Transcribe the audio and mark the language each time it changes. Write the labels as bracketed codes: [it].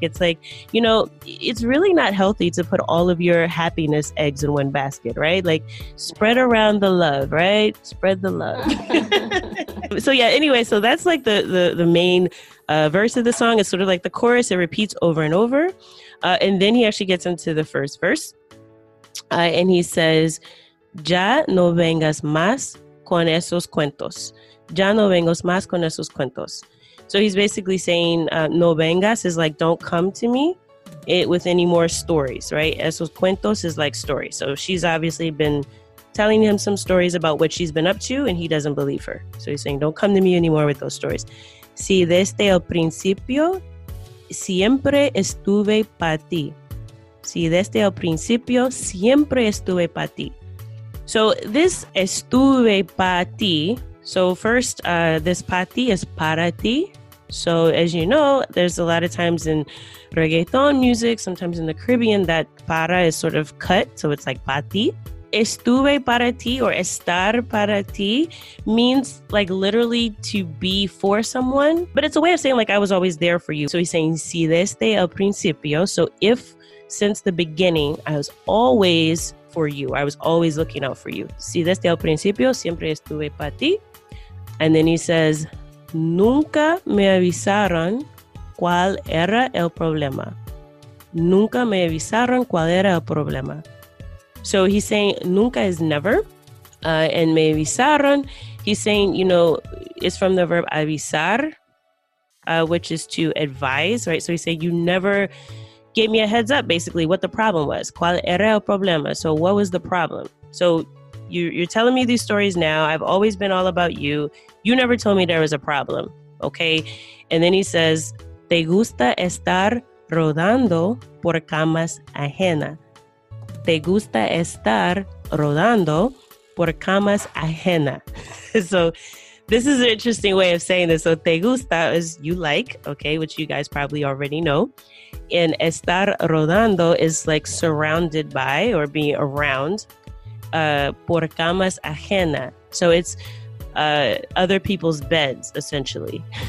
[en] It's like, you know, it's really not healthy to put all of your happiness eggs in one basket, right? Like spread around the love, right? Spread the love. So yeah, anyway, so that's like the main verse of the song. It's sort of like the chorus. It repeats over and over. And then he actually gets into the first verse. And he says, [es] ya no vengas más con esos cuentos. Ya no vengas más con esos cuentos. [en] So he's basically saying, [es] no vengas [en] is like, don't come to me with any more stories, right? Esos cuentos is like stories. So she's obviously been telling him some stories about what she's been up to, and he doesn't believe her. So he's saying, don't come to me anymore with those stories. [es] Si desde el principio, siempre estuve para ti. Si desde el principio, siempre estuve para ti. [en] So this [es] estuve para ti. [en] So first, this para ti is para ti. So as you know, there's a lot of times in reggaeton music, sometimes in the Caribbean, that para is sort of cut. So it's like [es] para ti. Estuve para ti [en] or [es] estar para ti [en] means like literally to be for someone. But it's a way of saying like I was always there for you. So he's saying [es] si desde el principio. [en] So if... since the beginning, I was always for you. I was always looking out for you. [es] Si desde el principio, siempre estuve para ti. [en] And then he says, [es] nunca me avisaron cuál era el problema. Nunca me avisaron cuál era el problema. [en] So he's saying, nunca is never. And [es] me avisaron, [en] he's saying, you know, it's from the verb avisar, which is to advise, right? So he's saying, you never... gave me a heads up, basically, what the problem was. [es] ¿Cuál era el problema? [en] So what was the problem? So you're telling me these stories now. I've always been all about you. You never told me there was a problem, okay? And then he says, [es] ¿Te gusta estar rodando por camas ajena? ¿Te gusta estar rodando por camas ajena? So [en] This is an interesting way of saying this. So [es] te gusta [en] is you like, okay, which you guys probably already know. And [es] estar rodando [en] is like surrounded by or being around. [es] Por camas ajena. [en] So it's other people's beds, essentially.